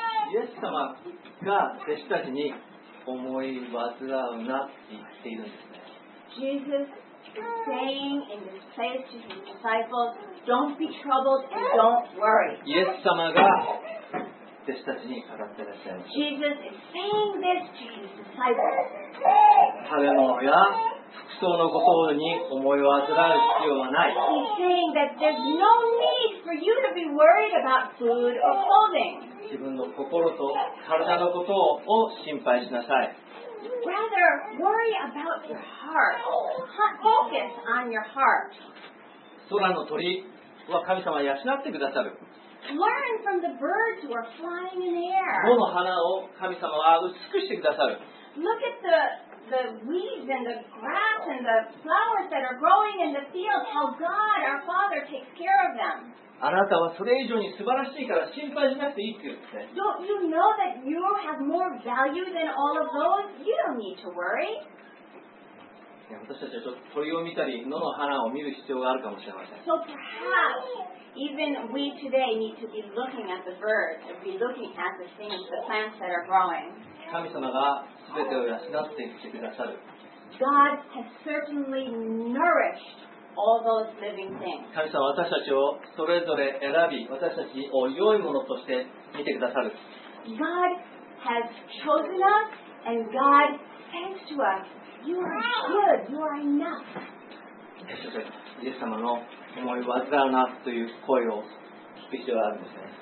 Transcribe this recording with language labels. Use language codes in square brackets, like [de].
[ja] イエス様が弟子たちに思い煩うなって言っているんですね。 [en] Jesus is saying in this place to his disciples, don't be troubled and don't worry. [ja] イエス様が弟子たちに語ってらっしゃいます。 [en] Jesus is saying this to his disciples. [ja] 食べ物や服装のことに思いを煩う必要はない。 [en] He's saying that there's no need for you to be worried about food or clothing. [ja] 自分の心と体のことを心配しなさい。 [en] Rather worry about your heart. Focus on your heart. [ja] 空の鳥は神様は養ってくださる。 [en] Learn from the birds who are flying in the air. [ja] 野の花を神様は美しくくださる。 [en] Look at the weeds and the grass and the flowers that are growing in the field, how God, our Father, takes care of them. [ja] あなたはそれ以上に素晴らしいから心配しなくていいって言って。 [en] Don't you know that you have more value than all of those? You don't need to worry. [ja] 私たちはちょっと鳥を見たり、野の花を見る必要があるかもしれません。 [en] So perhaps, even we today need to be looking at the birds, and be looking at the things, the plants that are growing. [ja] 神様がすべてを養ってきてくださる。 [en] God has certainly nourished all those living things. [ja] 神様は私たちをそれぞれ選び、私たちを良いものとして見てくださる。 [en] God has chosen us and God says to us, you are good, you are enough. [ja] イエス様の思い煩うなという声を聞く必要があるんですね。